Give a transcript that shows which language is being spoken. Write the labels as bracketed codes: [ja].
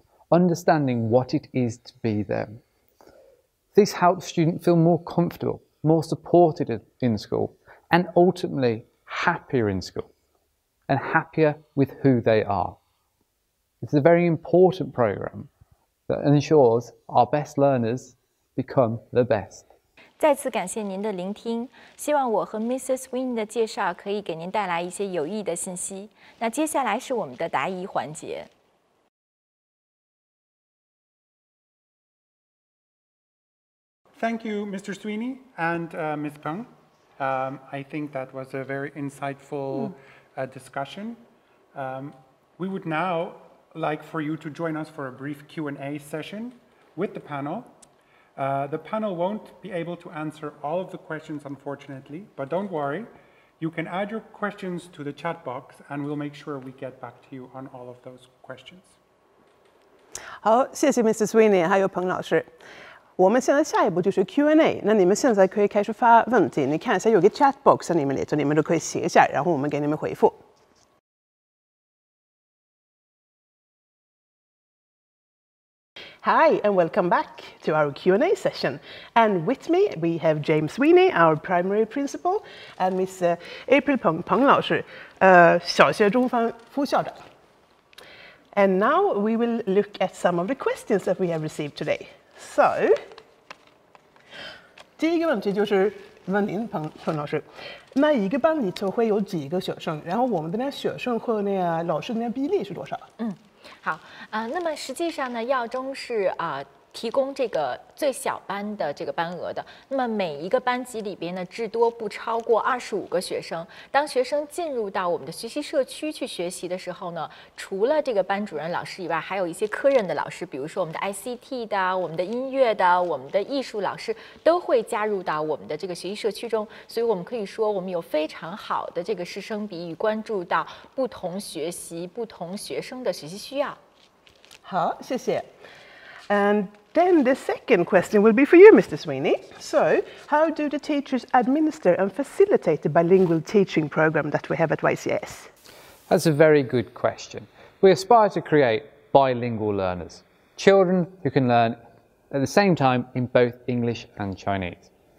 [en] Understanding what it is to be them. This helps students feel more comfortable, more supported in school, and ultimately happier in school. and happier with who they are. It's a very important program that ensures our best learners become the best. [zh] 再次感谢您的聆听，希望我和 Mrs. Wynn 的介绍可以给您带来一些有益的信息。那接下来是我们的答疑环节。 [en] Thank you, Mr. Sweeney and Ms. Peng. I think that was a very insightful discussion. We would now like for you to join us for a brief Q&A session with the panel. The panel won't be able to answer all of the questions, unfortunately, but don't worry. You can add your questions to the chat box and we'll make sure we get back to you on all of those questions. [zh] 好，谢谢 Mr. Sweeney 还有彭老师。我们现在下一步就是 Q&A， 那你们现在可以开始发问题。你看一下有个 chat box 在里面，这里面都可以写一下，然后我们给你们回复。 [en] Hi, and welcome back to our Q&A session. And with me, we have James Sweeney, our primary principal, and Miss April Peng [zh] 老师，小学中方副校长。 [en] And now we will look at some of the questions that we have received today. [zh] So, 第一个问题就是问您彭老师，那一个班里头会有几个学生？然后我们的那学生和那老师的那比例是多少？嗯，好，那么实际上呢，耀中是提供这个最小班的这个班额的，那么每一个班级里边呢，至多不超过25个学生。当学生进入到我们的学习社区去学习的时候呢，除了这个班主任老师以外，还有一些科任的老师，比如说我们的 ICT 的、我们的音乐的、我们的艺术老师，都会加入到我们的这个学习社区中。所以我们可以说，我们有非常好的这个师生比与关注到不同学习、不同学生的学习需要。好，谢谢。 [en] And then the second question will be for you, Mr. Sweeney. So, how do the teachers administer and facilitate the bilingual teaching program that we have at YCIS? That's a very good question. We aspire to create bilingual learners, children who can learn at the same time in both English and Chinese.